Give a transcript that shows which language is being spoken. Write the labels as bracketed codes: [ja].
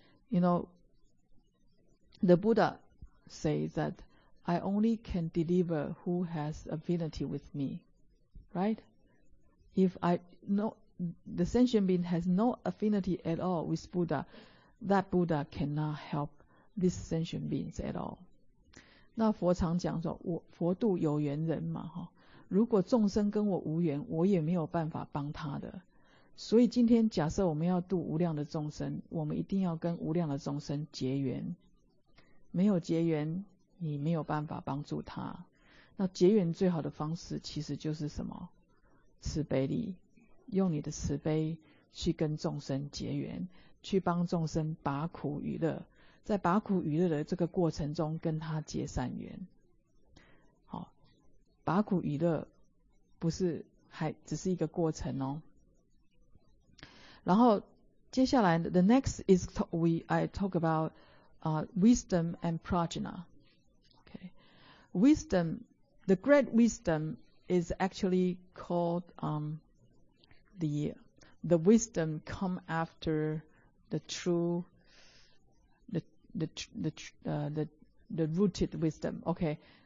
[en] You know, the Buddha says that I only can deliver who has affinity with me, right? The sentient being has no affinity at all with Buddha, that Buddha cannot help this sentient beings at all. [zh] 那佛常讲说，我佛度有缘人嘛，如果众生跟我无缘，我也没有办法帮他的。所以今天假设我们要度无量的众生，我们一定要跟无量的众生结缘。没有结缘，你没有办法帮助他。那结缘最好的方式其实就是什么？慈悲力，用你的慈悲去跟众生结缘，去帮众生拔苦与乐，在拔苦与乐的这个过程中跟他结善缘。好，拔苦与乐不是还只是一个过程哦。然后接下来 [en] the next is I talk about wisdom and prajna. Okay. Wisdom, the great wisdom is actually called the wisdom come after the true the rooted wisdom. Okay.